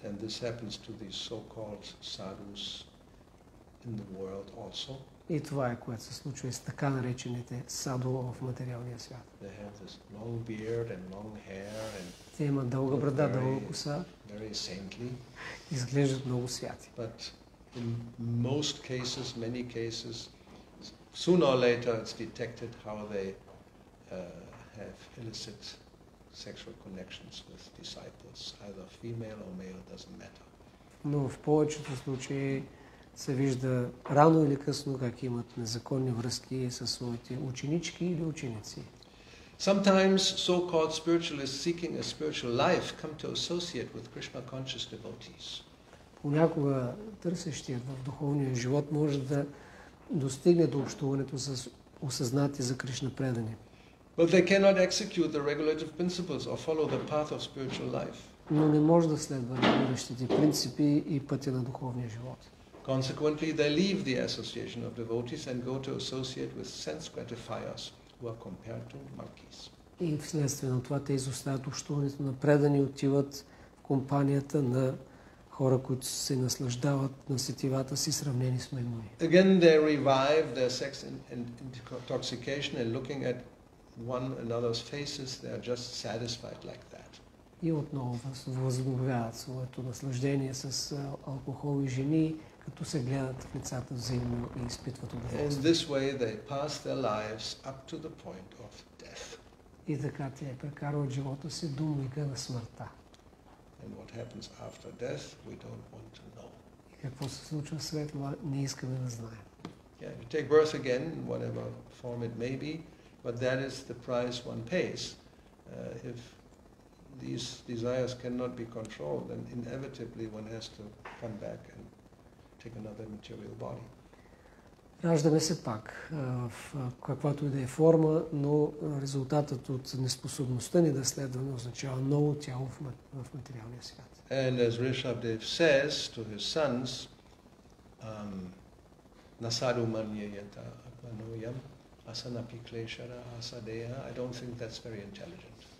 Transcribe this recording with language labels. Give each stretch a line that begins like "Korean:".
English: And this happens to these so-called sadhus in the world also.
Bulgarian: И това е което се случва с така наречените садо в материалния свят.
English: They have this long beard and long hair and
Bulgarian: те имат дълга брада, дълга коса.
English: Very saintly.
Bulgarian: Изглеждат много святи.
English: But in most cases, many cases, sooner or later it's detected how they have illicit sexual connections with disciples, either female or male, doesn't matter.
Bulgarian: Но в повечето случаи се вижда рано или късно как имат незаконни връзки със своите ученички или ученици.
English: Sometimes so-called spiritualists seeking a spiritual life come to associate with Krishna conscious devotees.
Bulgarian: Понякога търсещият в духовния живот може да достигне до общуването с осъзнати за Кришна предани.
English: But they cannot execute the regulative principles or follow the path of spiritual life.
Bulgarian: Но не може да следва регулиращите принципи и пътя на духовния живот.
English: Consequently, they leave the association of devotees and go to associate with sense gratifiers who are compared to monkeys.
Bulgarian: И вследствие на това те изоставят общуването на предани и отиват в компанията на хора, които се наслаждават на сетивата си, сравнени с маймуни.
English: Again they revive their sex and intoxication and looking at one another's faces, they are just satisfied like that.
Bulgarian: И отново възобновяват своето наслаждение с алкохол и жени, като се гледат в лицата взаимно и изпитват удоволствие.
English: In this way they pass their lives up to the point of death.
Bulgarian: И така те прекарват живота си до мига на смъртта.
English: And what happens after death, we don't want to know.
Bulgarian: Какво се случва след това, не искаме да знаем.
English: Yeah, you take birth again, whatever form it may be, but that is the price one pays. If these desires cannot be controlled, then inevitably one has to come back and take another material body.
Bulgarian: Раждаме се пак в каквато и да е форма, но резултатът от неспособността ни да следваме означава ново тяло в материалния свят.
English: And as Rishabdev says to his sons,
Sanskrit: nasadu manyayata akvanoyam asanapi kleshara asadeha,
English: I don't think that's very intelligent.